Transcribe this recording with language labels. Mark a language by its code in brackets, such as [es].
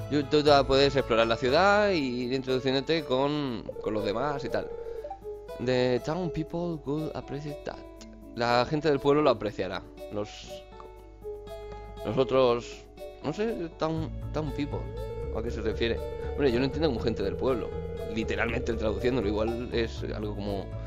[es] Tú puedes explorar la ciudad e ir introduciéndote con los demás y tal. [en] The town people could appreciate that. [es] La gente del pueblo lo apreciará. Nosotros. No sé, town people. ¿A qué se refiere? Hombre, yo no entiendo como gente del pueblo. Literalmente traduciéndolo, igual es algo como.